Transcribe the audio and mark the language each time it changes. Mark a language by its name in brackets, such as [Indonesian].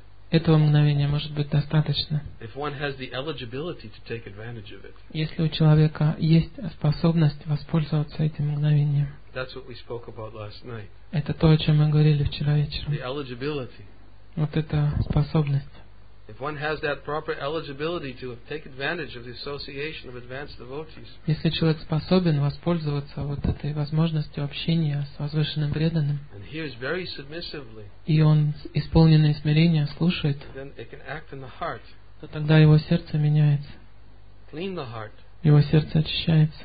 [Russian] Этого мгновения может быть достаточно. Если у человека есть способность воспользоваться этим мгновением. Это то, о чем мы говорили вчера вечером. Вот эта способность. [English] If one has that proper eligibility to take advantage of the association of advanced devotees. [Russian] Если человек способен воспользоваться вот этой возможностью общения с возвышенным преданным. [English] And hears very submissively. [Russian] И он исполненный смирения слушает. [English] Then it can act in the heart. [Russian] То тогда его сердце меняется. [English] Clean the heart. [Russian] Его сердце очищается.